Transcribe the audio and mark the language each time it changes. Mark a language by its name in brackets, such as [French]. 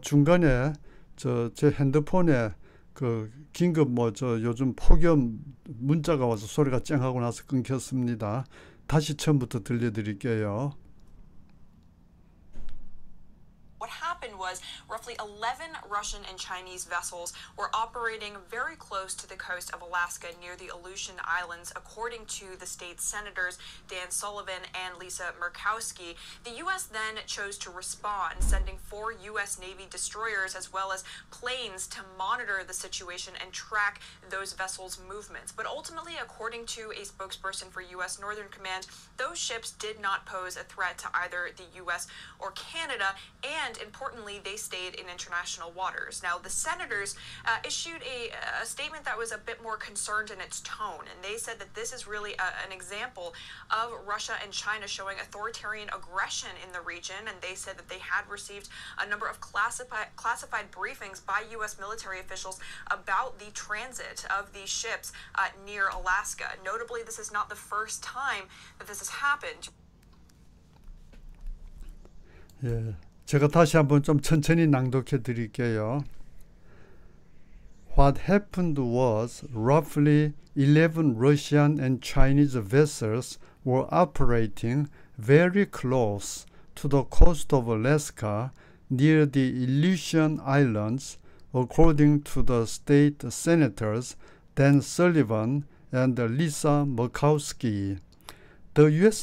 [Korean] 중간에 제 핸드폰에 그 긴급 요즘 폭염 문자가 와서 소리가 쨍하고 나서 끊겼습니다. 다시 처음부터 들려드릴게요. [English] What happened was roughly 11 Russian and Chinese vessels were operating very close to the coast of Alaska near the Aleutian Islands, according to the state senators Dan Sullivan and Lisa Murkowski. The U.S. then chose to respond, sending 4 U.S. Navy destroyers as well as planes to monitor the situation and track those vessels' movements. But ultimately, according to a spokesperson for U.S. Northern Command, those ships did not pose a threat to either the U.S. or Canada, and importantly, they stayed in international waters. Now, the senators issued a statement that was a bit more concerned in its tone, and they said that this is really an example of Russia and China showing authoritarian aggression in the region, and they said that they had received a number of classified briefings by U.S. military officials about the transit of these ships near Alaska. Notably, this is not the first time that this has happened. Yeah. [Korean] 제가 다시 한번 좀 천천히 낭독해 드릴게요. [English] What happened was roughly 11 Russian and Chinese vessels were operating very close to the coast of Alaska near the Aleutian Islands, according to the state senators Dan Sullivan and Lisa Murkowski. The U.S.